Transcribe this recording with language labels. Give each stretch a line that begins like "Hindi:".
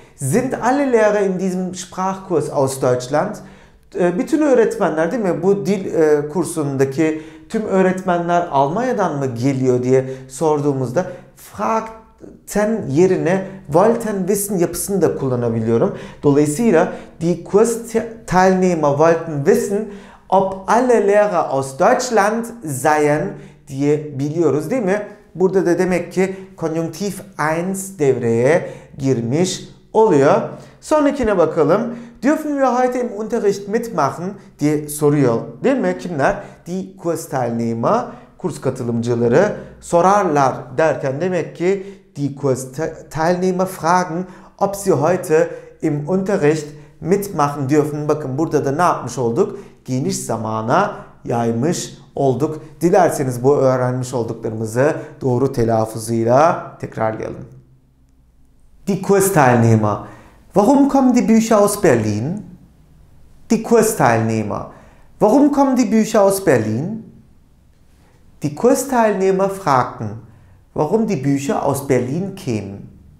German: Sind alle Lehrer in diesem Sprachkurs aus Deutschland?
Turkish: Bütün öğretmenler, değil mi? Bu dil kursundaki tüm öğretmenler Almanya'dan mı geliyor diye sorduğumuzda fragten yerine
German: wollten wissen
Turkish: yapısını da kullanabiliyorum.
German: Dolayısıyla die Kursteilnehmer wollten wissen ob alle Lehrer aus Deutschland seien
Turkish: diyebiliyoruz, değil mi? Burada da demek ki konjunktiv 1 devreye girmiş oluyor. Sonrakine bakalım.
German: Dürfen wir heute im Unterricht mitmachen
Turkish: diye soruyor, değil mi? Kimler?
German: Die Kursteilnehmer.
Turkish: kurs katılımcıları sorarlar derken demek ki
German: die Kursteilnehmer fragen, ob sie heute im Unterricht mitmachen dürfen.
Turkish: Bakın burada da ne yapmış olduk? Geniş zamana yaymış olduk. Dilerseniz bu öğrenmiş olduklarımızı doğru telaffuzuyla tekrarlayalım.
German: Die Kursteilnehmer. Warum kommen die Bücher aus Berlin? Die Kursteilnehmer. Warum kommen die Bücher aus Berlin? Die Kursteilnehmer fragten, warum die Bücher aus Berlin kämen.